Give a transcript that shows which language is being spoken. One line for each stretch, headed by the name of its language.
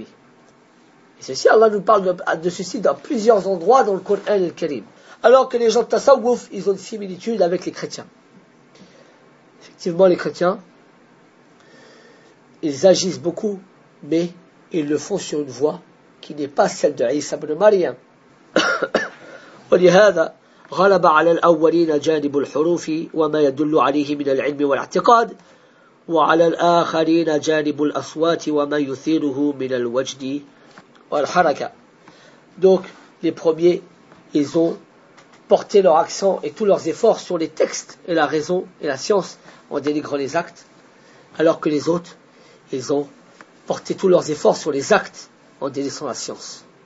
French: Et ceci, Allah nous parle de ceci dans plusieurs endroits dans le Coran al-Karim. Alors que les gens de tasawwuf, ils ont une similitude avec les chrétiens. Effectivement, les chrétiens, ils agissent beaucoup, mais ils le font sur une voie qui n'est pas celle de Isa ibn Maryam.
Arabic: ولهذا غلب على الأولين جانب الحروف وما يدل عليه من العلم والاعتقاد وعلى الآخرين جانب الأصوات وما يثيره من الوجد والحركة.
French: Donc les premiers, ils ont porté leur accent et tous leurs efforts sur les textes et la raison et la science en dénigrant les actes, alors que les autres, ils ont porté tous leurs efforts sur les actes en délaissant la science.